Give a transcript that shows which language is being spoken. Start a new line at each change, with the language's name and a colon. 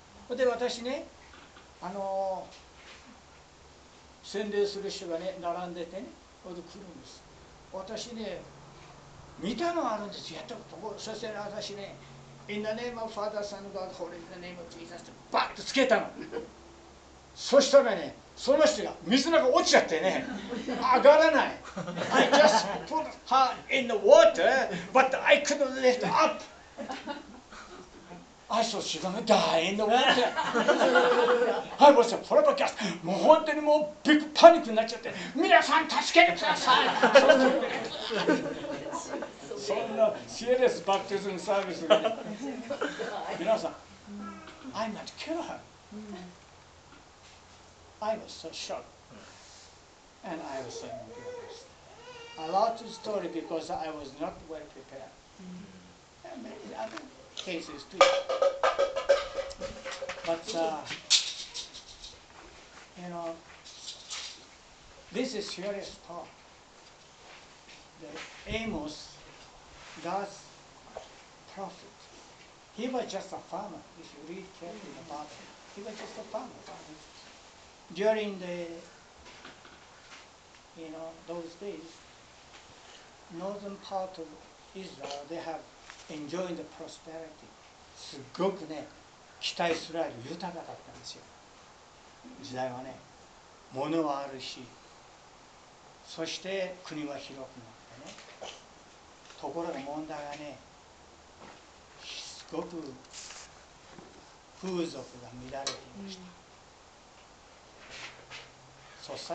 Japanese: で、私ね、洗礼する人がね、並んでてね、ほんで来るんです。私ね、見たのあるんですよ、やったこと。そして私ね、
English: In the name of Father, Son, God, Holy, the name of Jesus,
Japanese: ってバッとつけたの。そしたらね、その人が水の中落ちちゃってね、上がらない。
English: I just put her in the water, but I couldn't lift up. I saw she was dying in the water. I was a horrible gas.
Japanese: もう本当にもうビッグパニックになっちゃって、皆さん助けてください。そんなシエレスバプティズムサービスで、皆さん、
English: I might kill her. I was so shocked, and I was so embarrassed. A lot of story because I was not well prepared. And many other cases too. But, you know, this is serious talk. The Amos, God's prophet, he was just a farmer, if you read carefully about him. He was just a farmer. During the, you know, those days, northern part of Israel, they have enjoying the prosperity.
Japanese: すごくね、北イスラエル豊かだったんですよ。時代はね、物はあるし、そして国は広くなってね。ところが問題がね、すごく風俗が乱れていました。